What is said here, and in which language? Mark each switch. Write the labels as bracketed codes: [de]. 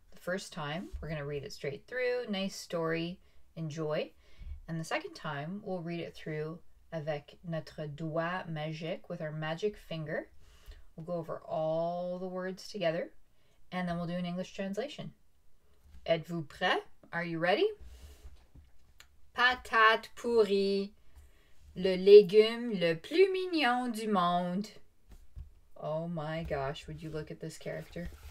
[en] First time, we're going to read it straight through. Nice story. Enjoy. And the second time, we'll read it through [fr] avec notre doigt magique, [en] with our magic finger. We'll go over all the words together, and then we'll do an English translation. [fr] Êtes-vous prêt? [en] Are you ready? [fr] Patate pourrie, le légume le plus mignon du monde. [en] Oh my gosh, would you look at this character?